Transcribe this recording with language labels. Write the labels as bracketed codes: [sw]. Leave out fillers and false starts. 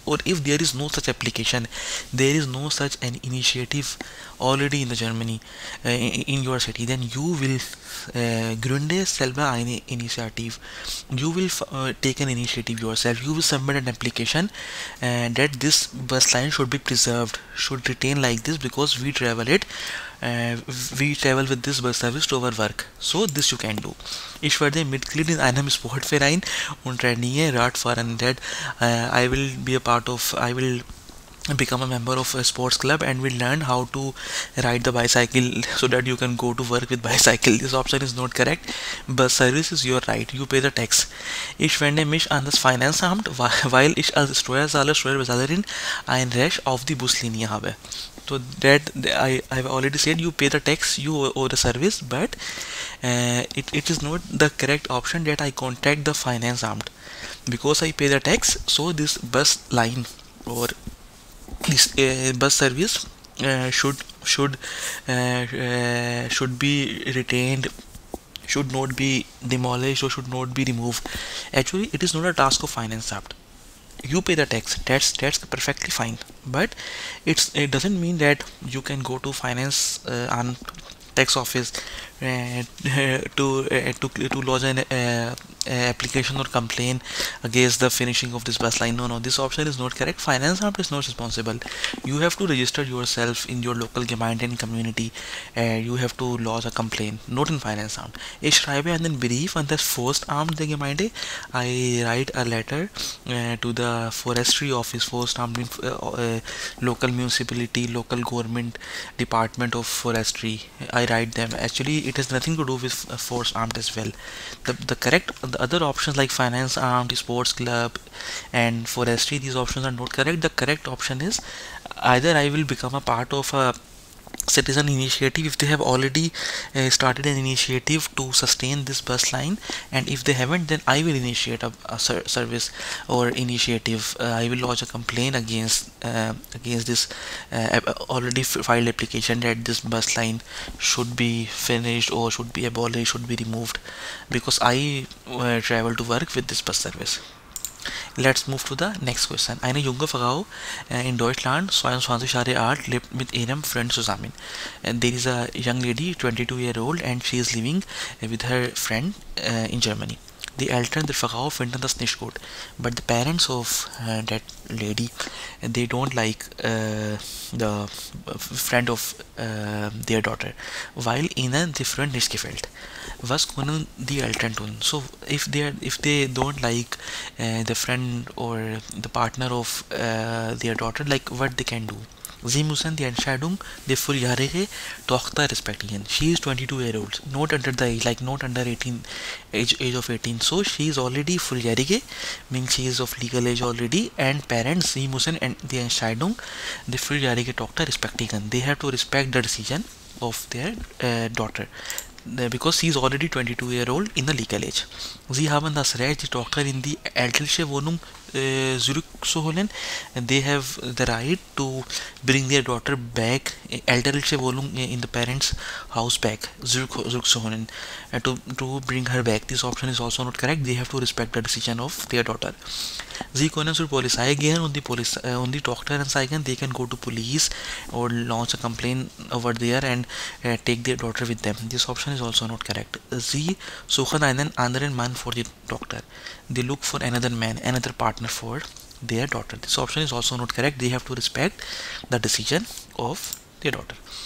[en] Or if there is no such application, there is no such an initiative already in the Germany in your city, then you will [de] Gründe selber eine initiative, [en] you will take an initiative yourself, you will submit an application that this bus line should be preserved, should retain like this, because we travel it, we travel with this bus service to our work. So this you can do. [de] Ich werde Mitglied in einem Sportverein und trainiere Radfahren. [en] That I will be a part of, I will become a member of a sports club and will learn how to ride the bicycle so that you can go to work with bicycle. This option is not correct. Bus service is your right. You pay the tax. [de] Ich wende mich an das Finanzamt, weil ich als Steuerzahlerin ein Recht auf die Buslinie habe. [en] So that I have already said, you pay the tax, you owe the service, but it is not the correct option that I contact the finance amt, because I pay the tax. So this bus line or this bus service should be retained, should not be demolished or should not be removed. Actually, it is not a task of finance amt. You pay the tax, that's perfectly fine, but it doesn't mean that you can go to finance and tax office to lodge an application or complain against the finishing of this bus line. No, this option is not correct. Finance amt is not responsible. You have to register yourself in your local Gemeinde and community, you have to lodge a complaint, not in finance amt. [de] Ich schreibe einen Brief an das Forstamt der Gemeinde. [en] I write a letter to the forestry office, Forstamt, local municipality, local government department of forestry. I write them. Actually, it has nothing to do with forced armed as well. The correct, the other options like finance armed, sports club and forestry, these options are not correct. The correct option is either I will become a part of a citizen initiative if they have already started an initiative to sustain this bus line, and if they haven't, then I will initiate a service or initiative. I will lodge a complaint against this already filed application that this bus line should be finished or should be abolished, should be removed, because I travel to work with this bus service. Let's move to the next question. [de] Eine junge Frau in Deutschland, 22 Jahre alt, lebt mit ihrem Freund zusammen. [en] There is a young lady, 22-year-old, and she is living with her friend in Germany. [de] Die Eltern der Frau finden das nicht gut. [en] But the parents of that lady, they don't like the friend of their daughter, [de] weil ihnen die Freund nicht gefällt. Was können die Eltern tun? [en] So if they don't like the friend or the partner of their daughter, like what they can do? [de] Sie müssen die Entscheidung der volljährige Tochter respektieren. [en] She is 22-year-old, not under the age, like not under 18, age of 18. So she is already volljährige, means she is of legal age already, and parents, [de] sie müssen die Entscheidung der volljährige Tochter respektieren. [en] They have to respect the decision of their daughter, because she is already 22-year-old in the legal age. [de] Sie haben das Recht, die Tochter in die elterliche Wohnung zurückzuholen, [en] and they have the right to bring their daughter back, [de] elterliche Wohnung, [en] in the parents' house back, zurückzuholen, to bring her back. This option is also not correct. They have to respect the decision of their daughter. [de] Sie können zur Polizei gehen und die Tochter anzeigen. [en] They can go to police or launch a complaint over there and take their daughter with them. This option is also not correct. [de] Sie suchen einen anderen Mann [en] for the doctor. They look for another man, another partner for their daughter. This option is also not correct. They have to respect the decision of their daughter.